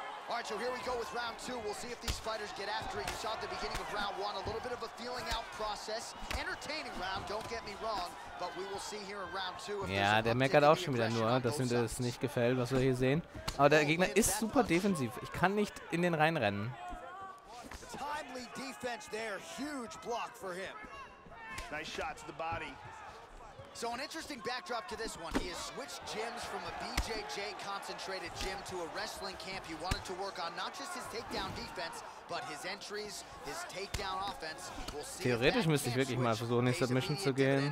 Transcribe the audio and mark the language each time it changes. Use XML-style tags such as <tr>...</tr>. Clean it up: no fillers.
<en>All right, so here we go with round two. We'll see if these fighters get after it. You saw at the beginning of round one, a little bit of a feeling out process. Entertaining round, don't get me wrong, but we will see here in round two.</en> <de>Ja, der meckert auch schon wieder nur, dass ihm das nicht gefällt, was wir hier sehen. Aber der Gegner ist super defensiv. Ich kann nicht in den Reihen rennen.</de> <en>Timely defense there, huge block for him. Nice shot to the body. So an interesting backdrop to this one. He has switched gyms from a BJJ concentrated gym to a wrestling camp. He wanted to work on not just his takedown defense, but his entries, his takedown offense. We'll see.</en> <de>Theoretisch müsste ich wirklich mal versuchen, in Submission zu gehen.</de>